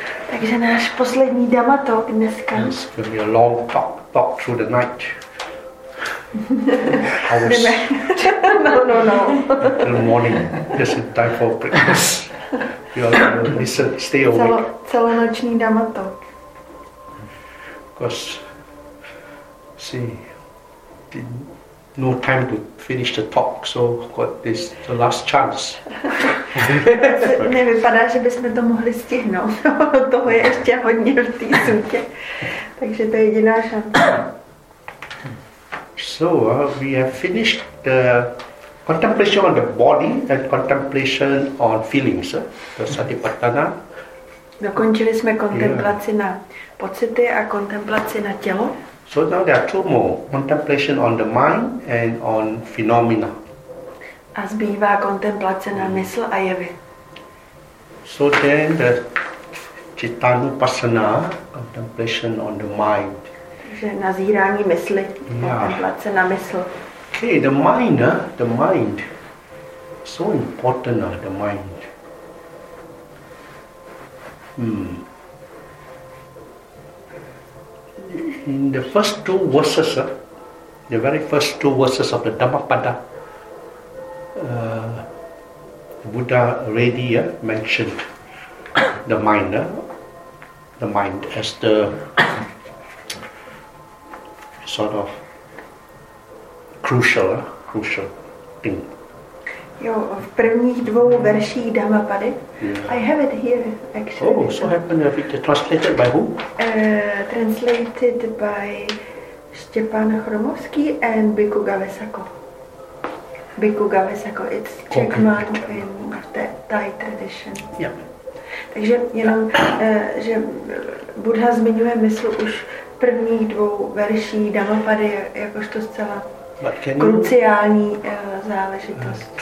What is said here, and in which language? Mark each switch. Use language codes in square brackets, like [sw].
[cs] Takže náš poslední dama talk dneska. [en] It's going to be a long talk through the night. No. In the morning, just in time for breakfast. You are going to listen, stay awake. [cs] Celonoční dama talk. [en] Because, see, the, no time to finish the talk, so got this the last chance. [cs] Nevypadá, že bychom to mohli stihnout. Toho je ještě hodně v té sutě. Takže to je jediná šance. [en] So, we have finished the contemplation on the body and contemplation on feelings. The Satipatthana. [cs] Dokončili jsme kontemplaci na pocity a kontemplaci na tělo. [en] So now there are two more, contemplation on the mind and on phenomena. [cs] A zbývá kontemplace na mysl a jevy. [en] So then the cittanupassana, contemplation on the mind. [cs] Takže nazírání mysli, kontemplace na mysl. [en] Okay, the mind, so important, the mind. In the first two verses, the very first two verses of the Dhammapada, the Buddha already mentioned the mind as the sort of crucial thing. [cs] Jo, v prvních dvou verších Dhammapady. [en] Yeah. I have it here, actually. Oh, so happened to have it translated by who? Translated by Štěpán Chromovský and Bhikkhu Gavesako. Bhikkhu Gavesako, it's Czechman in the Thai tradition. Yeah. [cs] Takže jenom, že Buddha zmiňuje mysl už v prvních dvou verších Dhammapady jakožto zcela kruciální záležitost.